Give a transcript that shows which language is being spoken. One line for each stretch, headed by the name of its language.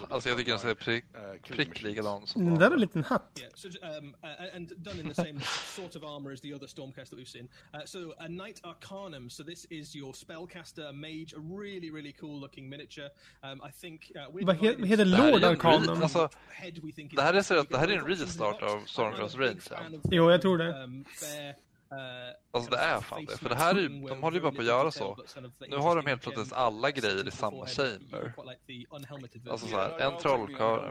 Swedish: Alltså jag tycker han ser pricklig ut. Det där är en liten hatt.
English: And done in the same sort of armor as the other Stormcast that we've seen. So a Knight Arcanum. So this is your spellcaster, a mage, a really, really cool looking miniature. I think.
Swedish: Vad heter Lord Arcanum? Det här är så att det här är en restart av Stormcast Reigns. Jag tror det. Alltså det är fan det. För det här är ju, de håller ju bara på att göra så. Nu har de helt plötsligt alla grejer i samma chamber. Alltså så här, en trollkar.